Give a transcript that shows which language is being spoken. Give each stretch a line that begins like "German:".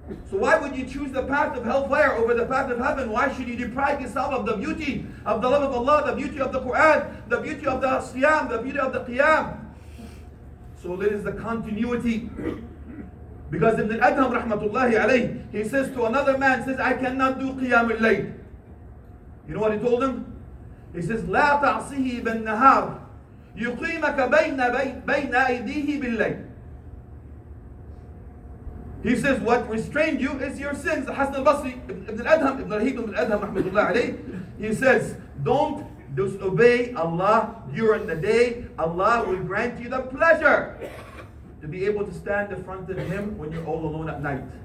English: So why would you choose the path of hellfire over the path of heaven? Why should you deprive yourself of the beauty of the love of Allah, the beauty of the Quran, the beauty of the Siyam, the beauty of the Qiyam? So there is the continuity. Because Ibn al-Adham rahmatullahi alayhi, he says to another man, says, I cannot do Qiyam al-Layl. You know what he told him? He says,
Arabic: لا تعصيه بالنهار يقيمك بين أيديه بالليل.
English: He says, what restrained you is your sins. Hasan al-Basri, Ibn al-Adham, rahmatullah alayh, he says, don't disobey Allah during the day. Allah will grant you the pleasure to be able to stand in front of Him when you're all alone at night.